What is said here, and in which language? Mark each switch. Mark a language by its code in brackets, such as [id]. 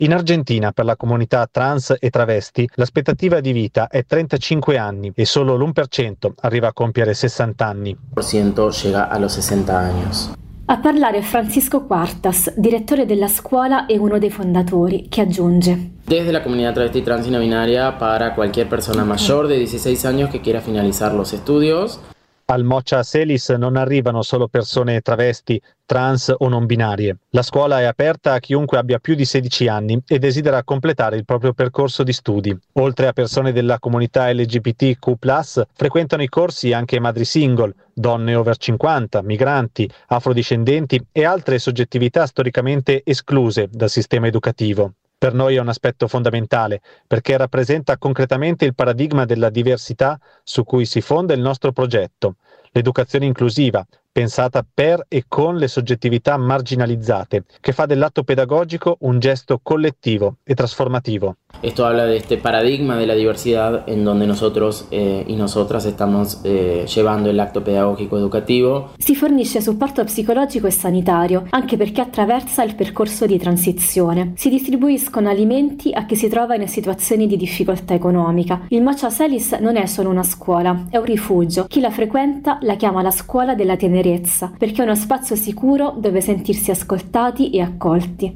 [it] In Argentina, per la comunità trans e travesti, l'aspettativa di vita è 35 anni e solo l'1% arriva a compiere 60 anni. L'1% arriva a 60 anni. A parlare Francisco Quartas, direttore della scuola e uno dei fondatori, che aggiunge: [es] desde la comunidad travesti trans y no binaria, para cualquier persona mayor de 16 años que quiera finalizar los estudios. [it] Al Mocha Celis non arrivano solo persone travesti, trans o non binarie. La scuola è aperta a chiunque abbia più di 16 anni e desidera completare il proprio percorso di studi. Oltre a persone della comunità LGBTQ+, frequentano i corsi anche madri single, donne over 50, migranti, afrodiscendenti e altre soggettività storicamente escluse dal sistema educativo. Per noi è un aspetto fondamentale, perché rappresenta concretamente il paradigma della diversità su cui si fonda il nostro progetto. L'educazione inclusiva, pensata per e con le soggettività marginalizzate, che fa dell'atto pedagogico un gesto collettivo e trasformativo. [es] Esto habla de este paradigma de la diversidad en donde nosotros y nosotras estamos llevando el acto pedagógico educativo. [it] Si fornisce supporto psicologico e sanitario, anche perché attraversa il percorso di transizione. Si distribuiscono alimenti a chi si trova in situazioni di difficoltà economica. Il Mocha Celis non è solo una scuola, è un rifugio. Chi la frequenta la chiama la scuola della tenerezza, perché è uno spazio sicuro dove sentirsi ascoltati e accolti.